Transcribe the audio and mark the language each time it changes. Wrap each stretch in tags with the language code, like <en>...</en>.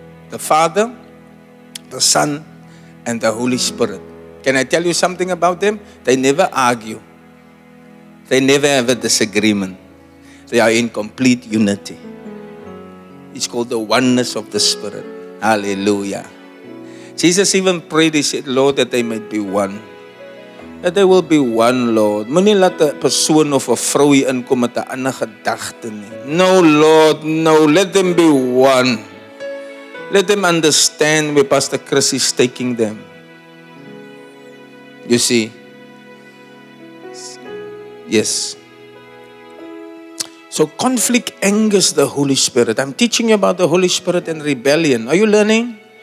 <en>The Father, the Son, and the Holy Spirit. Can I tell you something about them? They never argue. They never have a disagreement. They are in complete unity. It's called the oneness of the Spirit. Hallelujah. Jesus even prayed, he said, Lord, that they might be one. That they will be one, Lord.</en> <af>Moenie laat 'n persoon of 'n vrou hier inkom met 'n ander gedagte nie.</af> <en>No, Lord, no. Let them be one. Let them understand where Pastor Chris is taking them. You see? Yes. So conflict angers the Holy Spirit. I'm teaching you about the Holy Spirit and rebellion. Are you learning?</en>